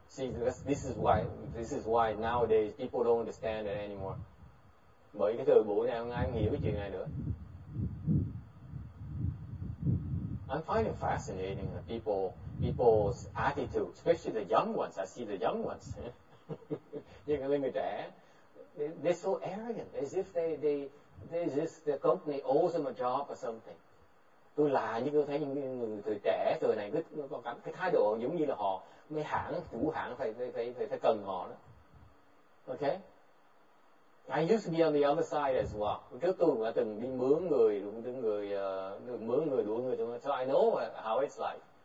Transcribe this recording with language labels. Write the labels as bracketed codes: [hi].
[en] See, this, this is why nowadays people don't understand it anymore. [vi] Bởi cái thời buổi này không ai hiểu cái chuyện này nữa. [en] I'm finding fascinating that people's attitude, especially the young ones. I see the young ones. [vi] Những cái người trẻ, [en] they're so arrogant, as if they just the company owes them a job or something. [vi] Tôi là như tôi thấy những người từ trẻ từ này có cái thái độ giống như là họ mấy hãng chủ hãng phải cần họ đó. [en] Okay, I used to be on the other side as well. [vi] Trước tôi cũng đã từng đi mướn người đuổi những người mướn người đuổi người, [en] so I know how it's like.